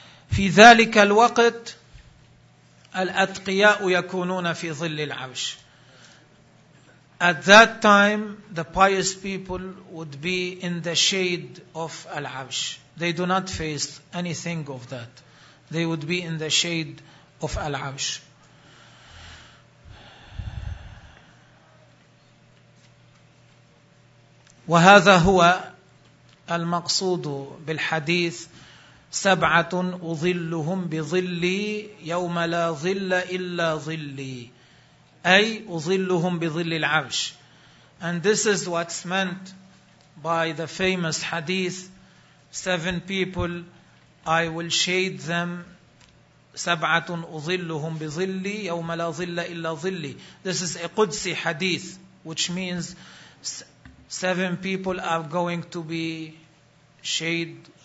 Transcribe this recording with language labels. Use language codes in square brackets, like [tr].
[ar] في ذلك الوقت الأتقياء يكونون في ظل العرش. [en] At that time, the pious people would be in the shade of العرش. They do not face anything of that. They would be in the shade of العرش. [ar] وهذا هو المقصود بالحديث سبعة أظلهم بظلي يوم لا ظل إلا ظلي أي أظلهم بظل العرش. [en] And this is what's meant by the famous hadith, seven people I will shade them, [ar] سبعة أظلهم بظلي يوم لا ظل إلا ظلي. [en] This is a Qudsi hadith, which means seven people are going to be shade